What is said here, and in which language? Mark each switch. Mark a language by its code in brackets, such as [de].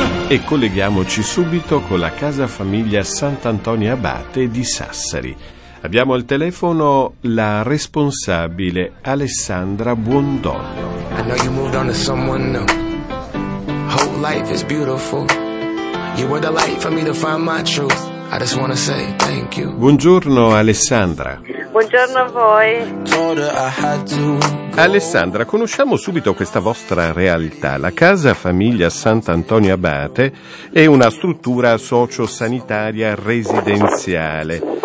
[it] E colleghiamoci subito con la casa famiglia Sant'Antonio Abate di Sassari. Abbiamo al telefono la responsabile Alessandra Buondonno. [en] I know you moved on to someone new. Whole life is beautiful. You were the light for me to find my truth. I just wanna say thank you. [it] Buongiorno Alessandra. Buongiorno a voi. Alessandra, conosciamo subito questa vostra realtà. La Casa Famiglia Sant'Antonio Abate è una struttura sociosanitaria residenziale.